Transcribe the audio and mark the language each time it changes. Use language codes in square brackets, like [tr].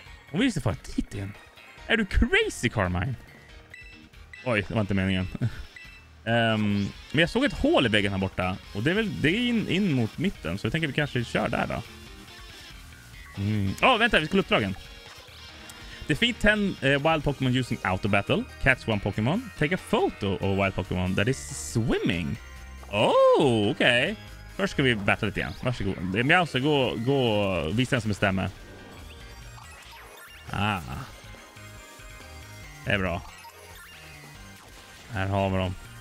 [sv] Hon ville att vi skulle fara dit igen. Är du crazy, Carmine? Oj, det var inte meningen. Men jag såg ett hål i väggen här borta. Och det är väl det är in mot mitten. Så jag tänker att vi kanske kör där då. Åh, vänta, vi ska uppdragen. [en] Defeat 10 wild Pokémon using auto battle. Catch one Pokémon. Take a photo of a wild Pokémon that is swimming. Oh, okej. Okay. [sv] Först ska vi battle lite igen. Varsågod. Men jag måste gå och visa den som bestämmer. Ah. Det är bra. Här har vi dem.